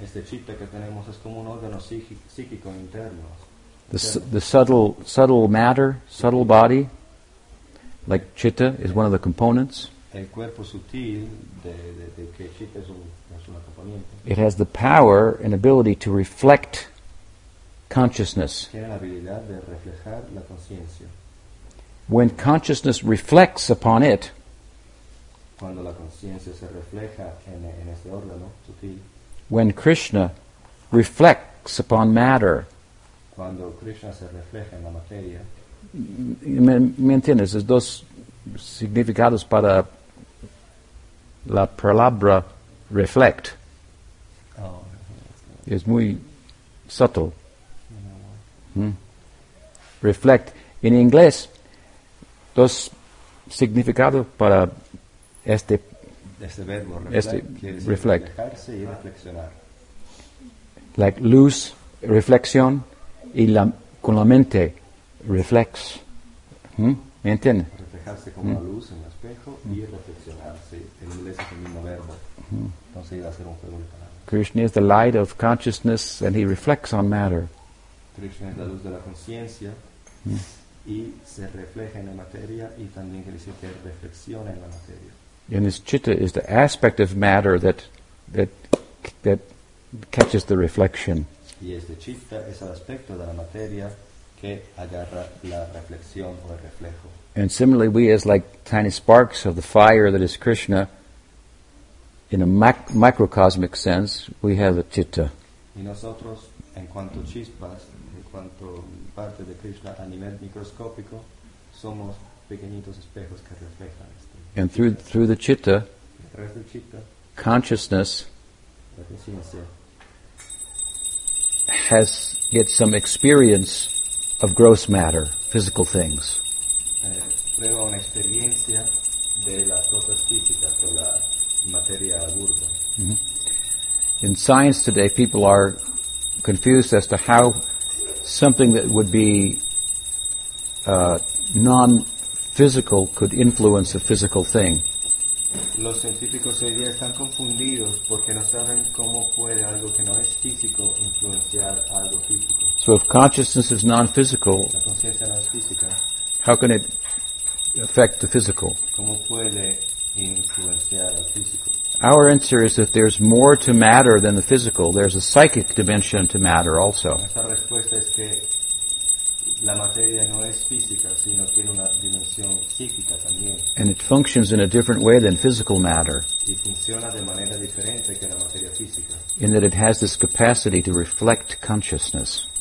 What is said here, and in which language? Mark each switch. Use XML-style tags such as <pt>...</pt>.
<es>Este chitta que tenemos es como un órgano psíquico interno.</es> <en>The subtle matter, subtle body, like chitta, is one of the components.</en> <es>El cuerpo sutil de que chitta es una componente.</es> <en>It has the power and ability to reflect consciousness.</en> <es>Tiene la habilidad de reflejar la conciencia.</es> <en>When consciousness reflects upon it,</en> <es>cuando la conciencia se refleja en este órgano sutil,</es> <en>when Krishna reflects upon matter,</en> <es>cuando Krishna se refleja en la materia. ¿Me entiendes? Es dos significados para la palabra reflect. Oh. Es muy sutil. Reflect. En inglés, dos significados para este verbo, reflect. Reflejarse y reflexionar. Like luz, reflexión. Y con la mente reflex. ¿Me entiendes? Reflejarse como la luz en el espejo y reflexionarse. En inglés es el mismo verbo. Entonces iba a ser un juego de palabras.</es> <en>Krishna is the light of consciousness and he reflects on matter.</en> <es>Krishna es la luz de la conciencia y se refleja en la materia y también quiere decir que reflexiona en la materia.</es> <en>And his chitta is the aspect of matter that catches the reflection.</en> <es>Y este chitta es el aspecto de la materia que agarra la reflexión o el reflejo.</es> <en>And similarly, we as like tiny sparks of the fire that is Krishna, in a microcosmic sense, we have a chitta.</en> <es>Y nosotros, en cuanto chispas, en cuanto parte de Krishna a nivel microscópico, somos pequeñitos espejos que reflejan este.</es> <en>And through the chitta,</en> <es>a través del chitta,</es> <en>consciousness,</en> <es>la conciencia,</es> <en>has yet some experience of gross matter, physical things.</en> <es>Prueba una experiencia de las cosas físicas, de la materia burda.</es> <en>In science today, people are confused as to how something that would be non-physical could influence a physical thing.</en> <es>Los científicos hoy día están confundidos porque no saben cómo puede algo que no es físico influenciar algo físico.</es> <en>So if consciousness is non-physical,</en> <es>la conciencia no es física,</es> <en>how can it affect the physical?</en> <es>¿Cómo puede influenciar lo físico?</es> <en>Our answer is that there's more to matter than the physical. There's a psychic dimension to matter also.</en> <es>La respuesta es que la materia no es física, sino tiene una dimensión psíquica también.</es> <en>And it functions in a different way than physical matter.</en> <es>Y funciona de manera diferente que la materia física.</es> <en>In that it has this capacity to reflect consciousness.</en>